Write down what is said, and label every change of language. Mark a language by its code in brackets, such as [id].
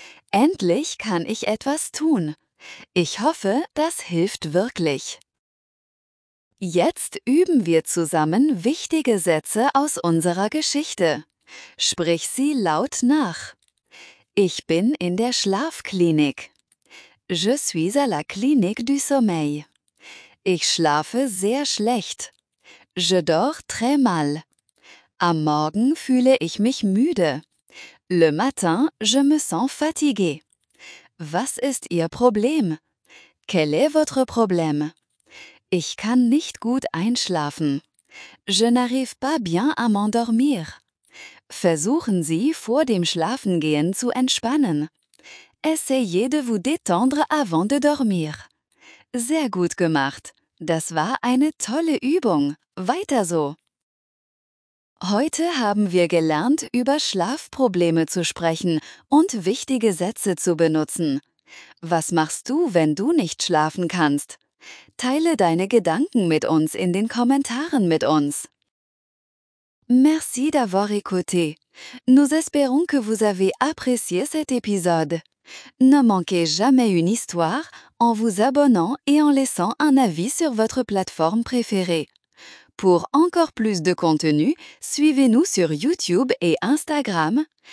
[de] Endlich kann ich etwas tun. Ich hoffe, das hilft wirklich. Jetzt üben wir zusammen wichtige Sätze aus unserer Geschichte. Sprich sie laut nach. Ich bin in der Schlafklinik. [fr] Je suis à la clinique du sommeil. [de] Ich schlafe sehr schlecht. [fr] Je dors très mal. [de] Am Morgen fühle ich mich müde. [fr] Le matin, je me sens fatigué. [de] Was ist Ihr Problem? [fr] Quel est votre problème? [de] Ich kann nicht gut einschlafen. [fr] Je n'arrive pas bien à m'endormir. [de] Versuchen Sie, vor dem Schlafengehen zu entspannen. [fr] Essayez de vous détendre avant de dormir. [de] Sehr gut gemacht. Das war eine tolle Übung. Weiter so. Heute haben wir gelernt, über Schlafprobleme zu sprechen und wichtige Sätze zu benutzen. Was machst du, wenn du nicht schlafen kannst? Teile deine Gedanken mit uns in den Kommentaren mit uns. [fr] Merci d'avoir écouté. Nous espérons que vous avez apprécié cet épisode. Ne manquez jamais une histoire en vous abonnant et en laissant un avis sur votre plateforme préférée. Pour encore plus de contenu, suivez-nous sur YouTube et Instagram.